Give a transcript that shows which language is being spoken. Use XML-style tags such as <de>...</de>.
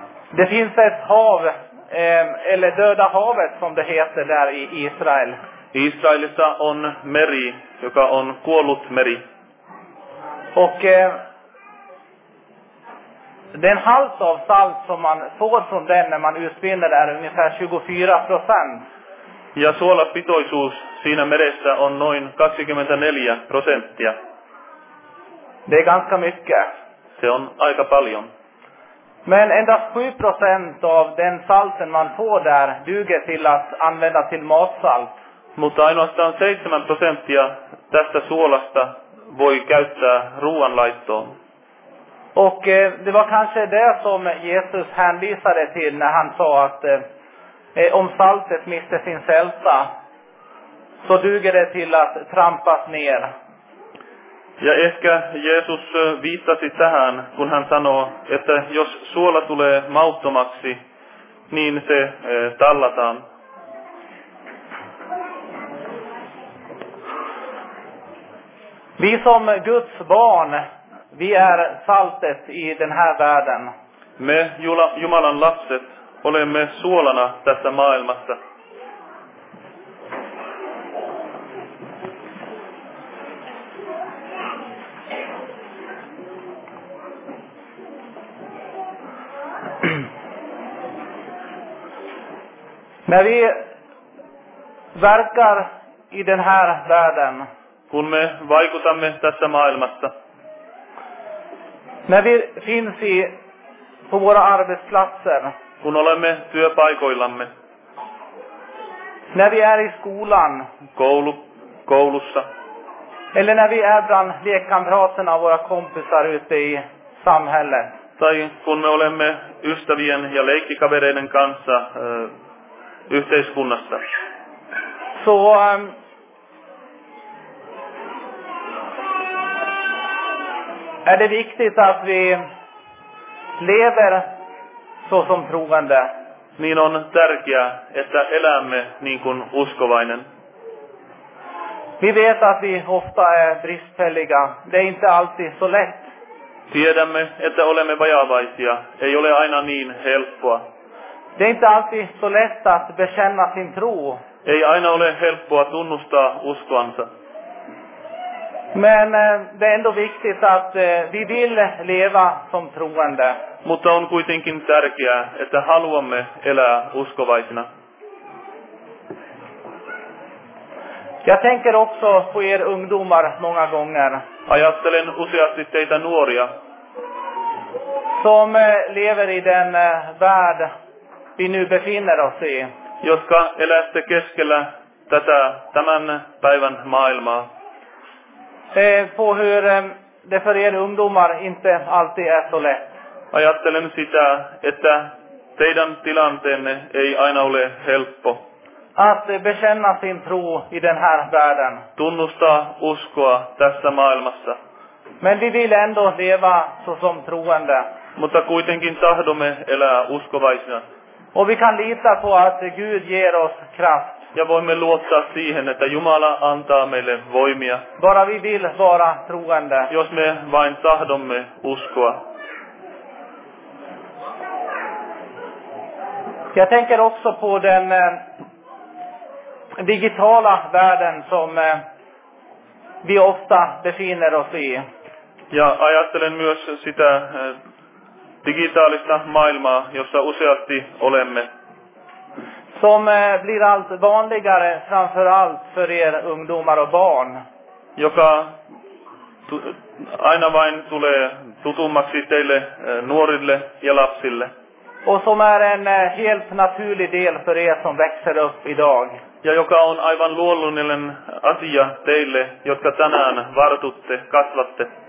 <sv>Det finns ett hav, eller döda havet som det heter där i Israel.</sv> <fi>Israelissa on meri, joka on kuollut meri.</fi> <sv>Och den halt av salt som man får från den när man utvinner är ungefär 24%.</sv> <fi>Ja suolapitoisuus siinä meressä on noin 24%.</fi> <sv>Det är ganska mycket.</sv> <fi>Se on aika paljon.</fi> <sv>Men endast 7% av den salten man får där duger till att använda till matsalt.</sv> <fi>Mutta ainoastaan 7% tästä suolasta voi käyttää ruoanlaittoon.</fi> <sv>Och det var kanske det som Jesus hänvisade till när han sa att om saltet mister sin sälta så duger det till att trampas ner.</sv> <fi>Ja ehkä Jeesus viittasi tähän, kun hän sanoo, että jos suola tulee mauttomaksi, niin se tallataan.</fi> <sv>Vi som Guds barn, vi är saltet i den här världen.</sv> <fi>Me Jumalan lapset olemme suolana tässä maailmassa.</fi> <sv>När vi verkar i den här världen.</sv> <fi>Kun me vaikutamme tässä maailmassa.</fi> <sv>När vi finns i på våra arbetsplatser.</sv> <fi>Kun olemme työpaikoillamme.</fi> <sv>När vi är i skolan.</sv> <fi>Koulussa.</fi> <sv>Eller när vi är bland lekkamraterna av våra kompisar ute i samhället.</sv> <fi>Tai kun me olemme ystävien ja leikkikavereiden kanssa yhteiskunnassa.</fi> <sv>So, är det viktigt att vi lever så som troende?</sv> <fi>Niin on tärkeää, että elämme niin kuin uskovainen.</fi> <sv>Vi vet att vi ofta är bristfälliga. Det är inte alltid så lätt.</sv> <fi>Tiedämme, että olemme vajavaisia. Ei ole aina niin helppoa.</fi> <sv>Det är inte alltid så lätt att bekänna sin tro.</sv> <fi>Ei aina ole helppoa tunnustaa uskoansa.</fi> <sv>Men det är ändå viktigt att vi vill leva som troende.</sv> <fi>Mutta on kuitenkin tärkeää, että haluamme elää uskovaisina.</fi> <sv>Jag tänker också på er ungdomar många gånger.</sv> <fi>Ajattelen useasti teitä nuoria.</fi> <sv>Som lever i den värld vi nu befinner oss i.</sv> <fi>Jotka elätte keskellä tämän päivän maailmaa.</fi> <sv>På hur det för er ungdomar inte alltid är så lätt.</sv> <fi>Ajattelen sitä, että teidän tilanteenne ei aina ole helppo.</fi> <sv>Att bekänna sin tro i den här världen.</sv> <fi>Tunnustaa uskoa tässä maailmassa.</fi> <sv>Men vi vill ändå leva så som troende.</sv> <fi>Mutta kuitenkin tahdomme elää uskovaisina.</fi> <sv>Och vi kan lita på att Gud ger oss kraft.</sv> <fi>Ja voimme luottaa siihen, että Jumala antaa meille voimia.</fi> <sv>Bara vi vill vara troende.</sv> <fi>Jos me vain tahdomme uskoa.</fi> <sv>Jag tänker också på den digitala världen som vi ofta befinner oss i.</sv> <fi>Ja ajattelen myös sitä digitaalista maailmaa, jossa useasti olemme.</fi> <sv>Som blir allt vanligare framförallt för er ungdomar och barn.</sv> <fi>Joka aina vain tulee tutummaksi teille nuorille ja lapsille.</fi> <sv>Och som är en helt naturlig del för er som växer upp idag.</sv> <fi>Ja joka on aivan luonnollinen asia teille, jotka tänään vartutte, kasvatte.</fi>